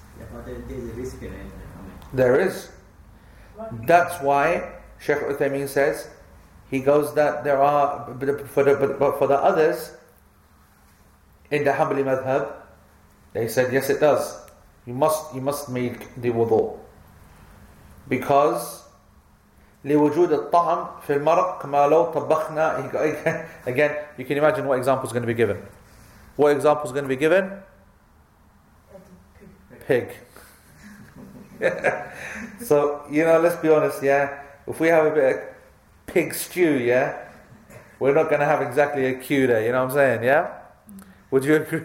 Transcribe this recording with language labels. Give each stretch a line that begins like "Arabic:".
English: Yeah, but there's a risk in it. There is. That's why Sheikh Uthaymeen says, he goes that there are, but for the others, in the Hanbali Madhab, they said, yes it does. You must make the wudu.
Arabic: Because, لوجود الطعم في المرق كما لو طبخنا.
English: Again, you can imagine what example is going to be given. What example is going to be given? Pig. So, you know, let's be honest, yeah? If we have a bit of pig stew, yeah? We're not going to have exactly a cue there, you know what I'm saying, yeah? Would you agree?